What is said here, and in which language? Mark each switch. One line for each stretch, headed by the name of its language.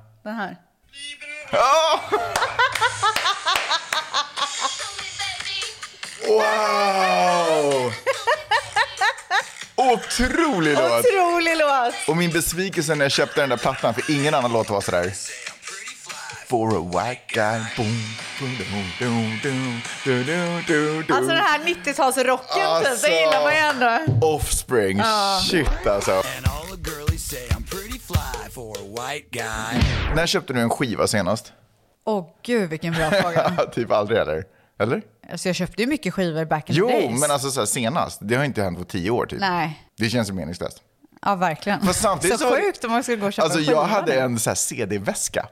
Swedish: Den här. Wow! Otrolig låt! Otrolig låt! Och min besvikelse när jag köpte den där plattan, för ingen annan låt var så där.
English: For a white guy, boom, boom, boom, boom, boom, boom, boom, boom, boom.
Swedish: Alltså den här 90-talsrocken, alltså, det gillar man ju ändå. Offspring, shit alltså.
English: And all the girlies say I'm pretty fly for a white guy.
Swedish: När köpte du en skiva senast? Åh gud, vilken bra fråga. Typ aldrig eller? Eller? Alltså jag köpte ju mycket skivor
English: back in the days.
Swedish: Jo, men alltså så här, senast. Det har inte hänt på 10 år typ. Nej. Det känns ju meningslöst. Ja, verkligen. Fast samtidigt så sjukt om man skulle gå och köpa. Alltså jag hade nu en så här CD-väska.